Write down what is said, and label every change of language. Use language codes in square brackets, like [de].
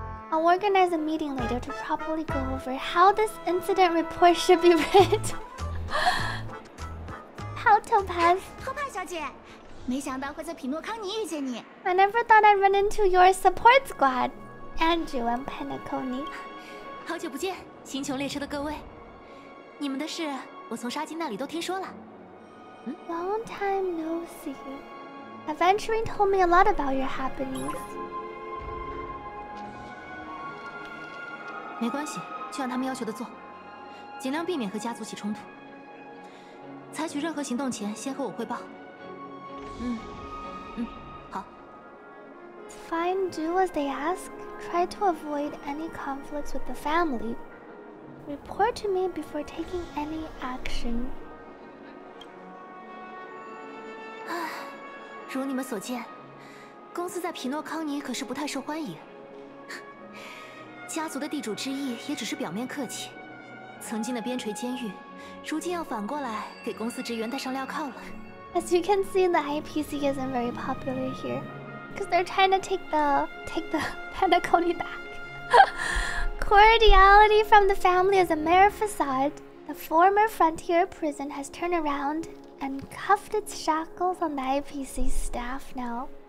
[en] I'll organize a meeting later to properly go over how this incident report should be read. How topaz? [zh] Topaz 小姐，没想到会在匹诺康尼遇见你。 [en] I never thought I'd run into your support squad, Andrew and Panaconi. [zh] 好久不见，星穹列车的各位。你们的事我从沙金那里都听说了。 [en] Long time no see. Aventurine told me a lot about your happenings. [zh] 没关系，就按他们要求的做，尽量避免和家族起冲突。采取任何行动前，先和我汇报。好。 [en] Fine, do as they ask. Try to avoid any conflicts with the family. Report to me before taking any action. [zh] 如你们所见，公司在匹诺康尼可是不太受欢迎。家族的地主之谊也只是表面客气，曾经的边陲监狱如今要反过来给公司职员戴上镣铐了。 [en] As you can see, the IPC isn't very popular here because they're trying to take the Panaconi back. Cordiality from the family is a mere facade. The former frontier prison has turned around and cuffed its shackles on the IPC staff now.